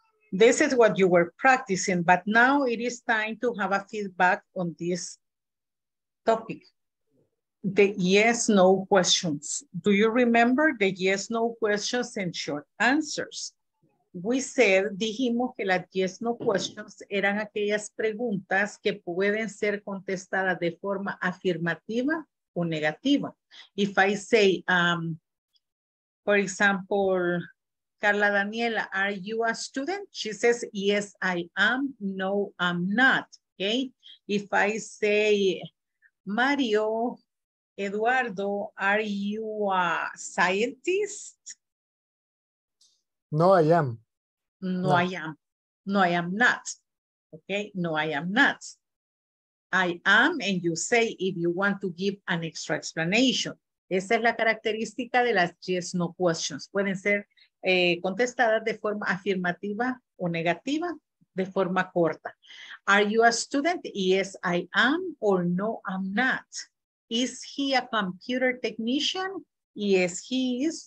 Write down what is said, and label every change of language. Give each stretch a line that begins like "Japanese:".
English: This is what you were practicing, but now it is time to have a feedback on this topic. The yes, no questions. Do you remember the yes, no questions and short answers? We said,
Spanish: dijimos que las yes, no questions eran aquellas preguntas que pueden ser contestadas de forma afirmativa o negativa.
English: If I say, for example, Carla Daniela, are you a student? She says, yes, I am. No, I'm not. Okay. If I say, Mario, Eduardo, are you a scientist? No, I am. No, no. I am. No, I am not. Okay. No, I am not. I am, and you say if you want to give an extra explanation.
Spanish: Esa es la característica de las yes, no questions. Pueden ser contestadas de forma afirmativa o negativa, de forma corta.
English: Are you a student? Yes, I am, or no, I'm not. Is he a computer technician? Yes, he is.